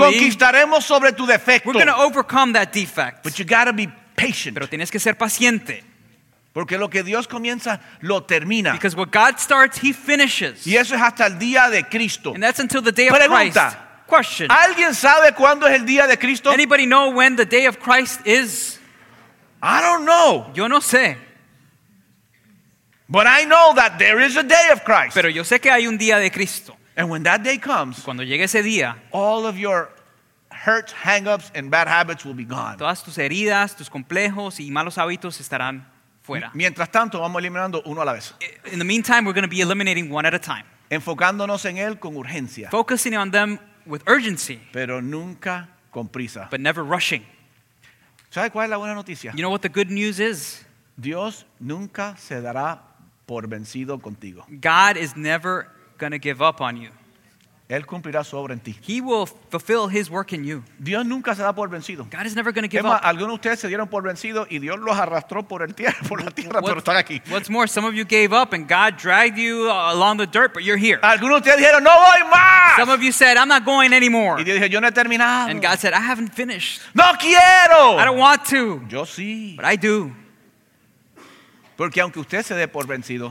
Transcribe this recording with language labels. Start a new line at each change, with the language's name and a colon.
Spanish: conquistaremos sobre tu defecto.
English: We're going to overcome that defect. But you gotta be patient.
Spanish: Pero tienes que ser paciente. Porque lo que Dios comienza, lo termina.
English: Because what God starts, he finishes.
Spanish: Y eso es hasta el día de Cristo.
English: And that's until the day of
Spanish: Pregunta.
English: Christ. Question.
Spanish: ¿Alguien sabe cuándo es el día de Cristo?
English: Anybody know when the day of Christ is? I don't know.
Spanish: Yo no sé.
English: But I know that there is a day of Christ.
Spanish: Pero yo sé que hay un día de Cristo.
English: And when that day comes,
Spanish: cuando llegue ese día,
English: all of your hurts, hang-ups, and bad habits will be gone.
Spanish: Todas tus heridas, tus complejos y malos hábitos estarán fuera. Mientras tanto, vamos eliminando uno a la vez.
English: In the meantime, we're going to be eliminating one at a time.
Spanish: Enfocándonos en él con urgencia.
English: Focusing on them with urgency.
Spanish: Pero nunca con prisa.
English: But never rushing.
Spanish: ¿Sabes cuál es la buena noticia?
English: You know what the good news is?
Spanish: Dios nunca se dará por vencido contigo.
English: God is never going to give up on you.
Spanish: Él cumplirá su obra en ti.
English: He will fulfill his work in you.
Spanish: Dios nunca se da por vencido.
English: God is never going to give up.
Spanish: Algunos de ustedes se dieron por vencido y Dios los arrastró por la tierra, pero están aquí.
English: What's more, some of you gave up and God dragged you along the dirt, but you're here.
Spanish: Algunos de ustedes dijeron, no voy más.
English: Some of you said, I'm not going anymore.
Spanish: Y Dios dijo, yo no he terminado.
English: And God said, I haven't finished.
Spanish: No quiero.
English: I don't want to.
Spanish: Yo sí.
English: But I do.
Spanish: Porque aunque usted se dé por vencido,